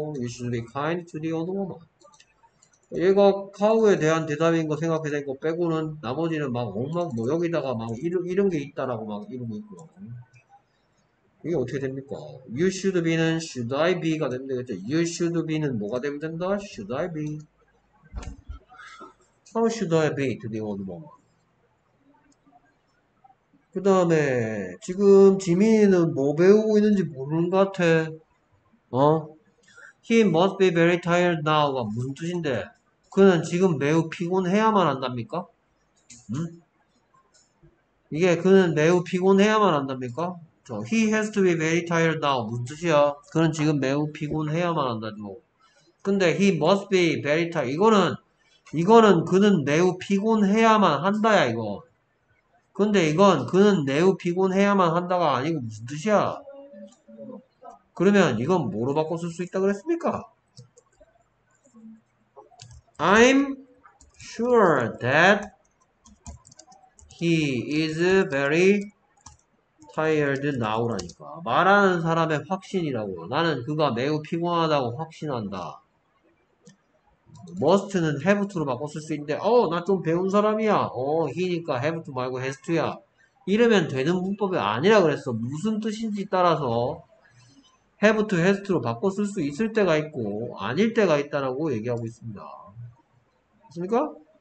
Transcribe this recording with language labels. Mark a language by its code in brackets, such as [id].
[en] You should be kind to the old woman. [ko] 얘가 카우에 대한 대답인 거 생각해낸 거 빼고는 나머지는 막 엉망, 뭐 여기다가 막 이런 게 있다라고 막 이러고 있고. 이게 어떻게 됩니까? [en] You should be는 should I be가 [ko] 되면 되겠죠? [en] You should be는 [ko] 뭐가 되면 된다? [en] Should I be? How should I be to the old woman? [ko] 그 다음에 지금 지민이는 뭐 배우고 있는지 모르는 것 같아. [en] 어? He must be very tired now가 [ko] 무슨 뜻인데? 그는 지금 매우 피곤해야만 한답니까? 응? 이게 그는 매우 피곤해야만 한답니까? [en] 저, He has to be very tired now. [ko] 무슨 뜻이야? 그는 지금 매우 피곤해야만 한다죠. [en] 근데 He must be very tired. [ko] 이거는 그는 매우 피곤해야만 한다야, 이거. 근데 이건 그는 매우 피곤해야만 한다가 아니고 무슨 뜻이야? 그러면 이건 뭐로 바꿔 쓸수 있다 그랬습니까? [en] I'm sure that he is very tired now라니까. [ko] 말하는 사람의 확신이라고. 나는 그가 매우 피곤하다고 확신한다. must는 have to로 바꿔 쓸수 있는데, 나좀 배운 사람이야. he니까 have to 말고 has to야. 이러면 되는 문법이 아니라 그랬어. 무슨 뜻인지 따라서 have to, has to로 바꿔 쓸수 있을 때가 있고, 아닐 때가 있다라고 얘기하고 있습니다. 맞습니까?